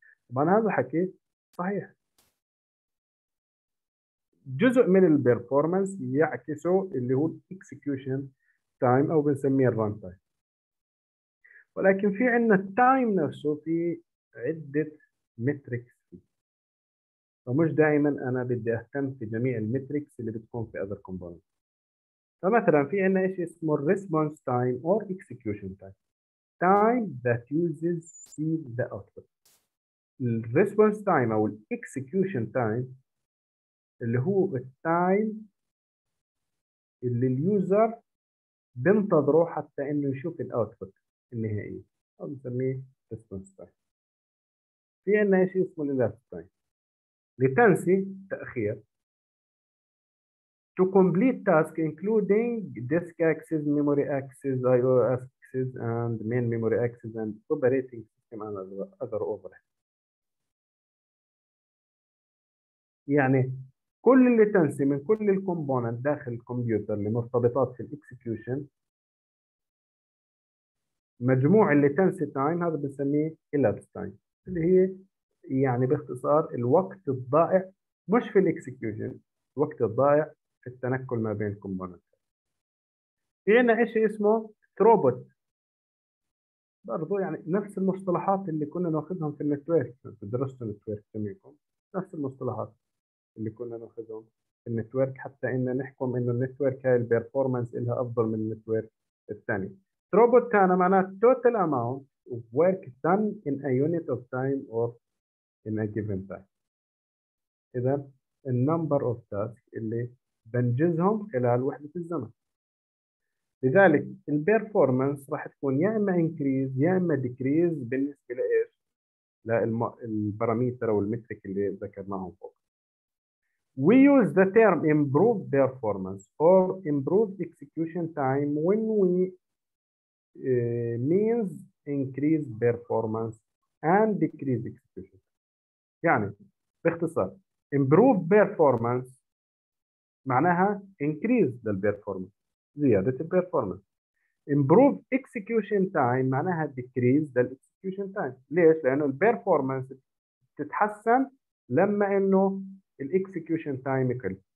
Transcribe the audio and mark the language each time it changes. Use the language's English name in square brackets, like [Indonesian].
[Arabic] طبعا هذا حكي صحيح، جزء من ال performance يعكسه اللي هو execution time أو بنسميه run time، ولكن في عندنا التايم نفسه في عدة متريكس فيه، فمش دائما أنا بدي أهتم في جميع المتريكس اللي بتكون في [English] other components. [Arabic] فمثلا في عندنا إشي اسمه [English] response time or execution time، time that uses see the output. [Arabic] response time أو execution time اللي هو التايم اللي اليوزر بنتظره حتى إنه يشوف الأوتبوت النهائي، أو نسميه response time. في عنا إشي اسمه elapsed time، latency تأخير. [English] to complete task including disk access, memory access, I/O access and main memory access and operating system and other overhead. [Arabic] يعني كل latency من كل الكومبوننت داخل الكمبيوتر اللي مرتبطات في الاكسكيوشن، مجموع latency time هذا بنسميه elapsed time، اللي هي يعني باختصار الوقت الضائع مش في الاكسكيوشن، الوقت الضائع في التنقل ما بين الكومبوننت. في عندنا شيء اسمه throughput، برضو يعني نفس المصطلحات اللي كنا ناخذهم في النتورك، درستوا النتورك جميعكم، نفس المصطلحات اللي كنا ناخذهم في النتورك حتى ان نحكم انه النتورك هاي البيرفورمانس لها افضل من النتورك الثاني. [English] throughput [Arabic] كان معناه [English] total amount of work done in a unit of time or in a given time. [Arabic] إذا [English] the number of tasks [Arabic] اللي بنجزهم خلال وحدة الزمن. لذلك ال performance راح تكون يا إما increase يا إما decrease بالنسبة لإيش؟ للبراميتر أو المتريك اللي ذكرناهم فوق. [English] We use the term improved performance or improved execution time when we means increase performance and decrease execution. [Arabic] يعني باختصار [English] improved performance [Arabic] معناها [English] increase the performance [Arabic] زيادة [English] performance. Improved execution time [Arabic] معناها [English] decrease the execution time. [Arabic] ليش؟ لأنه performance تتحسن لما إنه الاكسكيوشن تايم يقل.